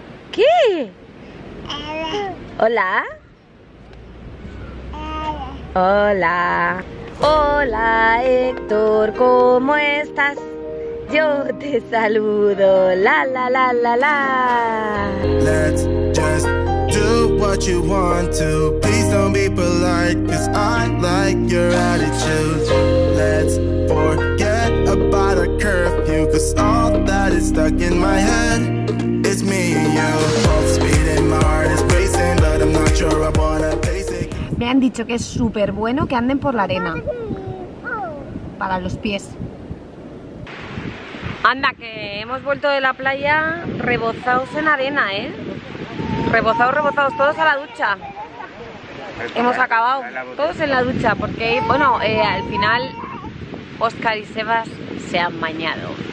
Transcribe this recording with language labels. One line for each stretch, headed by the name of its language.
Spanish: ¿Qué? Hola. Hola. Hola, Héctor, ¿cómo estás? Yo te saludo, la la la la la.
English: Let's just do what you want to. Please don't be polite, 'cause I like your attitude. Let's forget about a curfew, 'cause all that is stuck in my head is me and you. Both speed and my heart is pacing, but I'm not sure I wanna pace it.
Spanish: Me han dicho que es súper bueno que anden por la arena para los pies. Anda, que hemos vuelto de la playa rebozados en arena, ¿eh? Rebozados, todos a la ducha. Hemos acabado, todos en la ducha, porque, bueno, al final, Óscar y Sebas se han bañado.